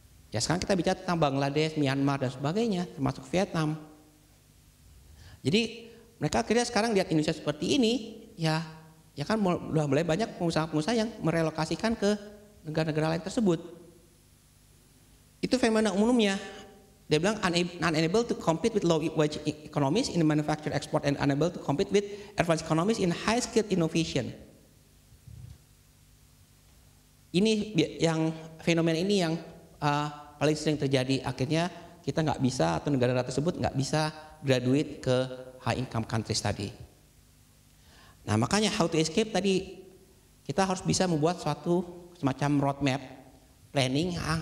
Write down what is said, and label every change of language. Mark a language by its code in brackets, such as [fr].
[id] Ya sekarang kita bicara tentang Bangladesh, Myanmar dan sebagainya, termasuk Vietnam. Jadi mereka akhirnya sekarang lihat Indonesia seperti ini, ya kan sudah mulai banyak pengusaha-pengusaha yang merelokasikan ke negara-negara lain tersebut. Itu fenomena umumnya. Dia bilang [en] unable to compete with low wage economies in manufacturing export and unable to compete with advanced economies in high skilled innovation. [id] Ini yang fenomena ini yang paling sering terjadi. Akhirnya kita nggak bisa atau negara-negara tersebut nggak bisa graduate ke [en] high income countries [id] tadi. Nah, makanya [en] how to escape [id] tadi kita harus bisa membuat suatu semacam roadmap planning.